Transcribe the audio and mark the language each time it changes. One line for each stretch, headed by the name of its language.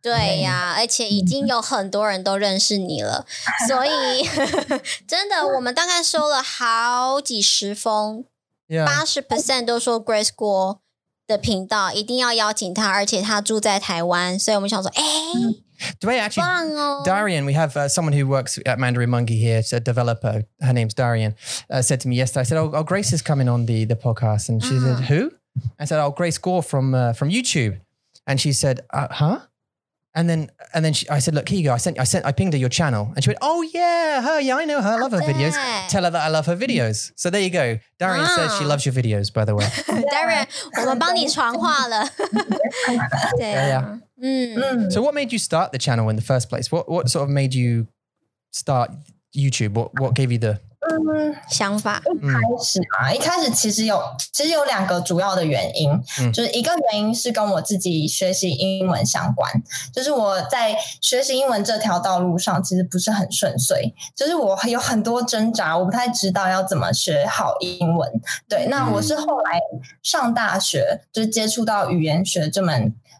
Chinese: 对呀，而且已经有很多人都认识你了，所以真的，我们大概收了好几十封，80%都说 Grace Guo 的频道一定要邀请他，而且他住在台湾，所以我们想说，哎，对，棒哦。Darian,
English: we have someone who works at Mandarin Monkey here. It's a developer. Her name's Darian. Said to me yesterday, I said, "Oh, Grace is coming on the podcast," and she said, "Who?" I said, "Oh, Grace Gore from YouTube," and she said, "Huh?" And then I said, "Look, here you go. I pinged her your channel," and she went, "Oh yeah, her. Yeah, I know her. I love her videos. Tell her that I love her videos." So there you go. Darian says she loves your videos, by the way.
Chinese: Darian, 我们帮你传话了。对呀。
English: So what made you start the channel in the first place? What sort of made you start YouTube? What gave you the
Chinese: 想法，一开始其实有两个主要的原因，就是一个原因是跟我自己学习英文相关，就是我在学习英文这条道路上其实不是很顺遂，就是我有很多挣扎，我不太知道要怎么学好英文。对，那我是后来上大学，就是接触到语言学这门。